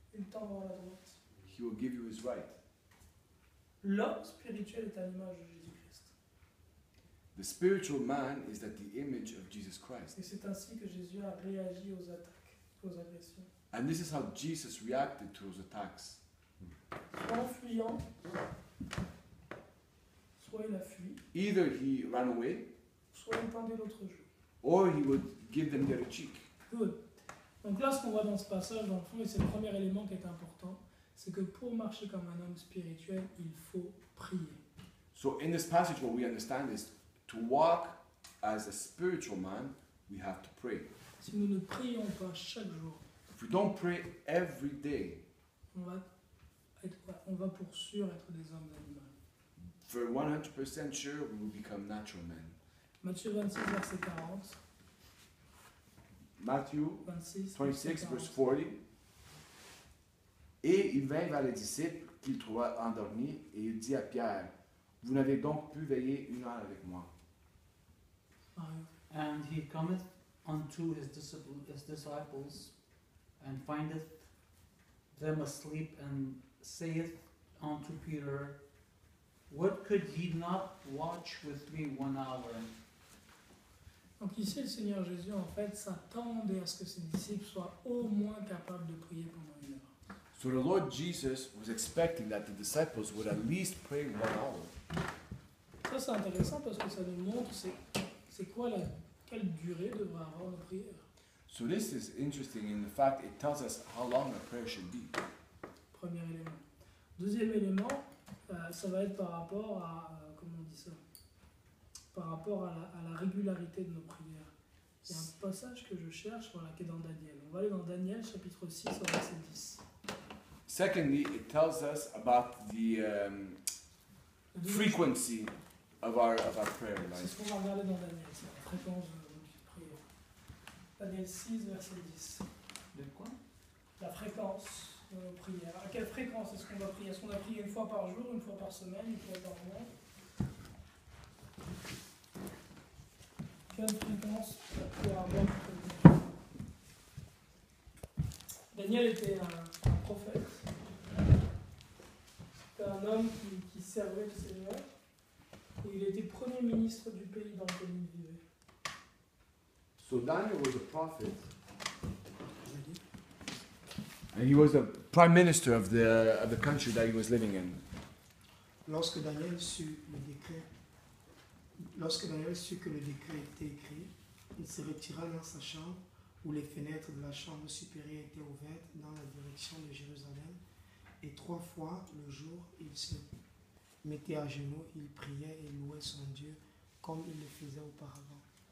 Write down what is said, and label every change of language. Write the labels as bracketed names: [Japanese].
[French] il tend vers la droite. [English] He will give you his right. [French] L'homme spirituel est à l'image de Jésus-Christ. [English] The spiritual man is at the image of Jesus Christ. [French] Et c'est ainsi que Jésus a réagi aux attaques, aux agressions. [English] And this is how Jesus reacted to those attacks. [French] Soit en fuyant, soit il a fui. [English] Either he ran away, [French] soit il tendait l'autre joue. [English] Or he would give them their cheek. Good. [French] Donc là, ce qu'on voit dans ce passage, dans le fond, et c'est le premier élément qui est important, c'est que pour marcher comme un homme spirituel, il faut prier. [English] So in this passage, what we understand is to walk as a spiritual man, we have to pray. [French] Si nous ne prions pas chaque jour, [English] if we don't pray every day, [French] on va pour sûr être des hommes d'animal. [English] For 100% sure, we will become natural men. [French] Matthieu 26, verset 40. Matthieu 26, verset 40. Et il vint vers les disciples qu'il trouva endormis et il dit à Pierre, vous n'avez donc pu veiller une heure avec moi. [English] And he cometh unto his disciples and findeth them asleep and saith unto Peter, what could ye not watch with me one hour? [French] Donc ici, le Seigneur Jésus, en fait, s'attendait à ce que ses disciples soient au moins capables de prier pendant une heure. [English] So the Lord Jesus was expecting that the disciples would at least pray one hour. [French] Ça, c'est intéressant parce que ça nous montre quelle durée devrait avoir la prière. [English] So this is interesting in the fact it tells us how long a prayer should be. [French] Premier élément. Deuxième élément, ça va être par rapport à, comment on dit ça? Par rapport à la régularité de nos prières. Il y a un passage que je cherche, voilà, qui est dans Daniel. On va aller dans Daniel, chapitre 6, verset 10. [English] Secondly, it tells us about the frequency of our prayer life. [French] C'est ce qu'on va regarder dans Daniel, c'est la fréquence de notre prière. Daniel 6, verset 10. De quoi? La fréquence de nos prières. À quelle fréquence est-ce qu'on va prier? Est-ce qu'on va prier une fois par jour, une fois par semaine, une fois par mois? Daniel était un prophète. C'était un homme qui servait le Seigneur. Et il était premier ministre du pays dans lequel il vivait. [English] So Daniel was a prophet. And he was the prime minister of the country that he was living in. [French] Lorsque Daniel sut que le décret était écrit, il se retira dans sa chambre où les fenêtres de la chambre supérieure étaient ouvertes dans la direction de Jérusalem. Et trois fois le jour, il se mettait à genoux, il priait et louait son Dieu comme il le faisait auparavant.